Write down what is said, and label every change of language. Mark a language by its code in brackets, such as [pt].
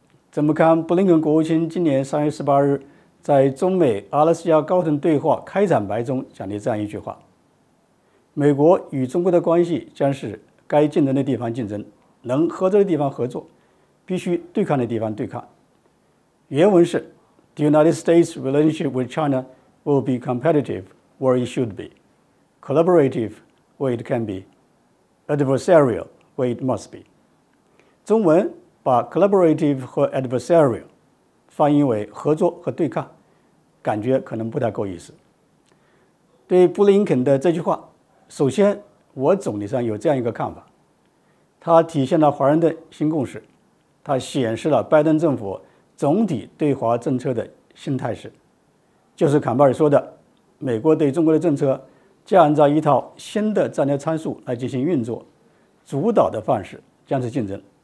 [zh] 怎么看布林肯国务卿今年3月18日在中美阿拉斯加高层对话开场白中讲的这样一句话：美国与中国的关系将是该竞争的地方竞争，能合作的地方合作，必须对抗的地方对抗。原文是 [en] The United States relationship with China will be competitive where it should be, collaborative where it can be, adversarial where it must be。 [zh] 中文把 collaborative 和 adversarial 翻译为合作和对抗，感觉可能不太够意思。对布林肯的这句话，首先我总体上有这样一个看法，它体现了华盛顿新共识，它显示了拜登政府总体对华政策的新态势，就是坎贝尔说的，美国对中国的政策将按照一套新的战略参数来进行运作，主导的范式将是竞争。